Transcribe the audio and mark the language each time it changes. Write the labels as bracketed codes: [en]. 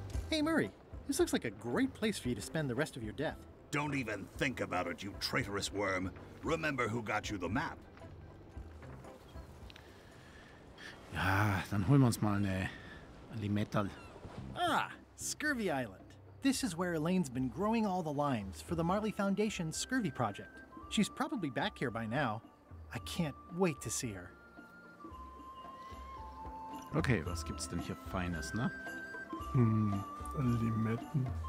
[en] Hey Murray, this looks like a great place for you to spend the rest of your death. Don't even think about it, you traitorous worm. Remember who got you the map. [de] Ja, dann holen wir uns mal eine Limette. [en] Ah, Scurvy Island. This is where Elaine's been growing all the limes for the Marley Foundation's Scurvy Project. She's probably back here by now. I can't wait to see her. [de] Okay, was gibt's denn hier Feines, ne? Limetten.